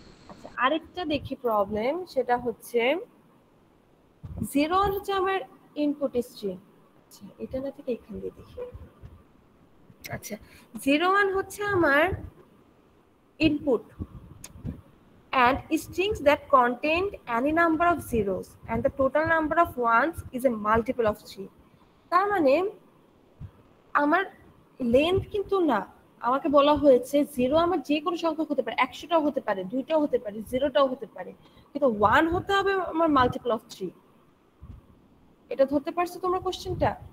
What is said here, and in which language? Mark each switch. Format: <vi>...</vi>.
<bn>আচ্ছা আরেকটা দেখি প্রবলেম সেটা হচ্ছে 0 হচ্ছে আমার ইনপুট স্ট্রিং আচ্ছা এটা না থেকে এখান দিয়ে দেখি আচ্ছা 01 হচ্ছে আমার input</bn> <en>and strings that contain any number of zeros and the total number of ones is a multiple of 3.</en> <bn>তার মানে আমার length কিন্তু না আমাকে বলা হয়েছে zero আমার যে কোনো সংখ্যা হতে পারে 100 টাও হতে পারে 2 টাও হতে পারে 0 টাও হতে পারে কিন্তু 1 হতে হবে আমার multiple of 3 এটা ধরতে পারছো তোমরা কোশ্চেনটা</bn>